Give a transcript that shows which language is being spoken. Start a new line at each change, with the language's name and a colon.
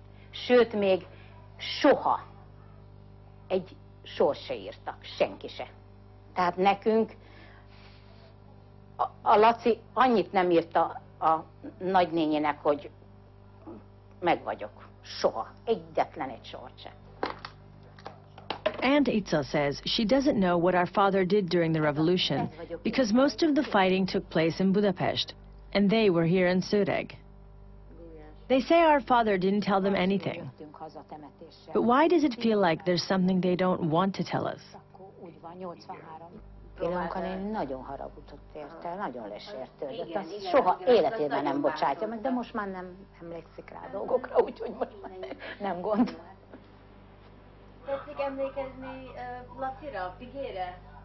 Hungarian: Sőt, még soha egy sor se írtak, senki se. Tehát nekünk a Laci annyit nem írta a nagynényének, hogy meg vagyok. Soha. Egyetlen egy sor se.
English: Aunt Itza says she doesn't know what our father did during the revolution because most of the fighting took place in Budapest and they were here in Szőreg. They say our father didn't tell them anything. But why does it feel like there's something they don't want to tell us?
Hungarian: Én unokanén nagyon haragudott érte, nagyon lesértődött, azt soha életében nem bocsátja meg, de most már nem emlékszik rá dolgokra, úgyhogy most már nem gond. Tetszik emlékezni Lacira, Pigére?